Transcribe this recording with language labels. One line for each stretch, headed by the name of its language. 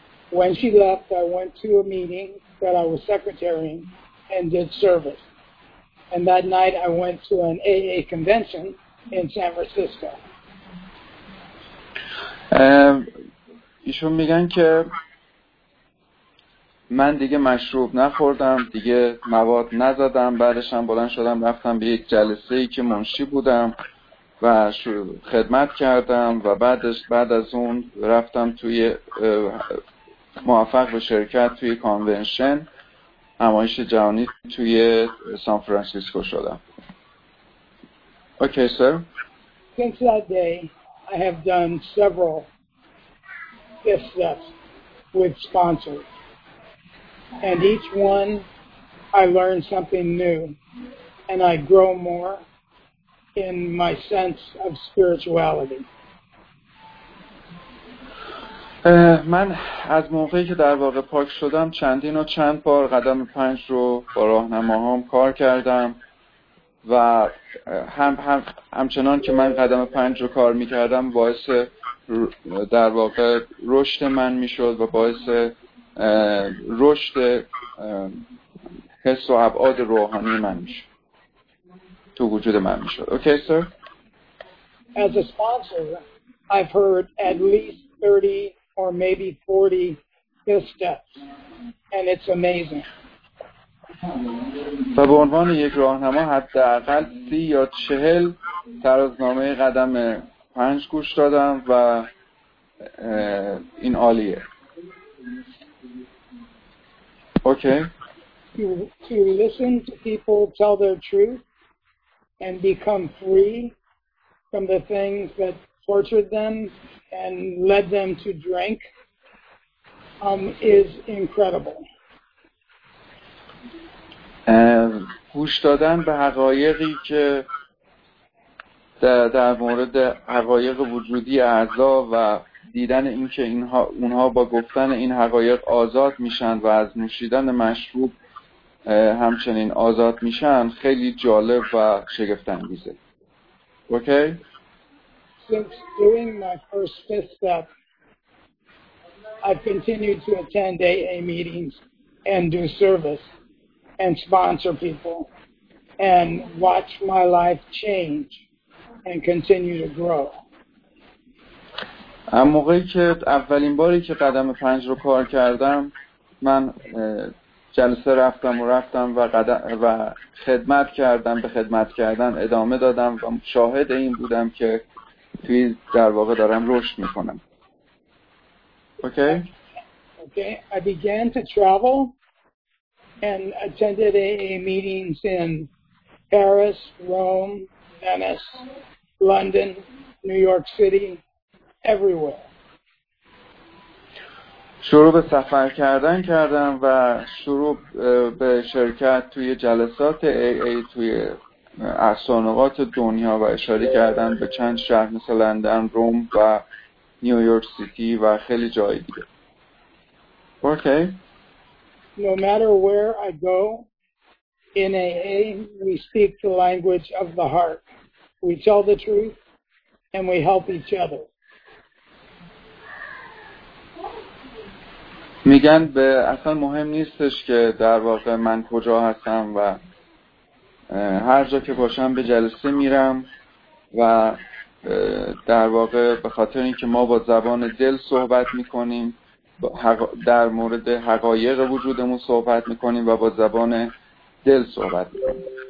English: When she left, I went to a meeting that I was secretarying and did service. And that night I went to an AA convention in San Francisco.
Persian: ایشون میگن که من دیگه مشروب نخوردم، دیگه مواد نزدم، بعدش هم بلند شدم رفتم به یک جلسه ای که منشی بودم. و خدمت کردم و بعد از اون رفتم توی موفق به شرکت توی کانونشن همایش جهانی توی سان فرانسیسکو شدم.
English: Okay sir. Since that day I have done several fifth steps with sponsors and each one I learn something new and I grow more in my sense of spirituality.
Persian: من از موقعی که در واقع پاک شدم چندین و چند بار قدم پنج رو با راهنماهام کار کردم و همچنان که من قدم پنج رو کار می‌کردم باعث در واقع رشد من می‌شد و باعث رشد حس و ابعاد روحانی من می‌شد.
English: Okay, sir. As a sponsor, I've heard at least 30 or maybe 40 fifth steps, and it's amazing.
Persian: و به عنوان یک راهنما حداقل 30 یا 40 ترازنامه قدم 5 گوش دادم و این عالیه.
English: Okay. To listen to people tell their truth and become free from the things that tortured them and led them to drink is incredible.
Persian: گوش دادن به حقایقی که در مورد حقایق وجودی اعضا و دیدن اینکه اونها با گفتن این حقایق آزاد میشن و از نوشیدن مشروب همچنین آزاد میشن خیلی جالب و شگفت انگیزه.
English: Okay? Since doing my first fifth step, I've continued to attend AA meetings and do service and sponsor people and watch my life change and continue to grow.
Persian: اما موقعی که اولین باری که قدم 5 رو کار کردم، من جلسه رفتم و خدمت کردم، به خدمت کردن ادامه دادم و شاهد این بودم که توی در واقع دارم رشد میکنم.
English: Okay. I began to travel and attended AA meetings in Paris, Rome, Venice, London, New York City, everywhere.
Persian: شروع به سفر کردن کردم و شروع به شرکت توی جلسات AA توی اقصانقاط دنیا و اشاره کردن به چند شهر مثل لندن، روم و نیویورک سیتی و خیلی جای دیگه.
English: Okay. No matter where I go in AA, we speak the language of the heart. We tell the truth and we help each other.
Persian: میگن به اصلا مهم نیستش که در واقع من کجا هستم و هر جا که باشم به جلسه میرم و در واقع به خاطر اینکه ما با زبان دل صحبت میکنیم، در مورد حقایق وجودمون صحبت میکنیم و با زبان دل صحبت میکنیم.